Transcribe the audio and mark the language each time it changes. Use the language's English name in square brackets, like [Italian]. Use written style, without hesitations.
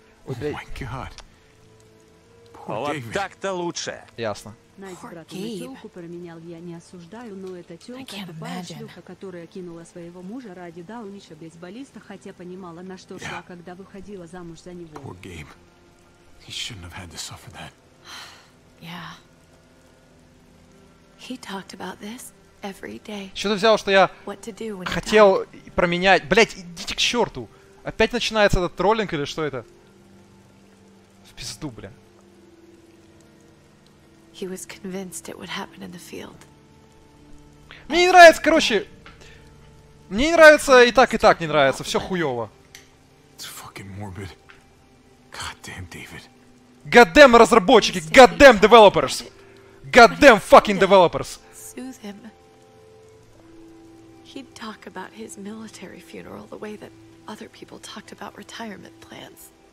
[Russian] Ой, блядь. Вот так-то лучше. Ясно. Найс, брат, на тёлку променял, я не осуждаю, но эта тёлка тупая шлюха, которая кинула своего мужа ради Даунича бейсболиста, хотя понимала, на что шла, когда выходила замуж за него. [English] Poor Gabe. He shouldn't have had to suffer that. Yeah. He talked about this every day. [Russian] Что ты взял, что я хотел променять? Блять, идите к чёрту! Опять начинается этот троллинг или что это? В пизду, бля. [English] He was convinced it would happen in the field. [Russian] Мне не нравится, короче. Мне не нравится и так не нравится. Все хуёво. [English] It's fucking morbid. God damn, David. God damn, [Russian] разработчики. [English] God damn, developers. God damn, fucking developers. Soothe him. He'd talk about his military funeral the way that other people talked about retirement plans.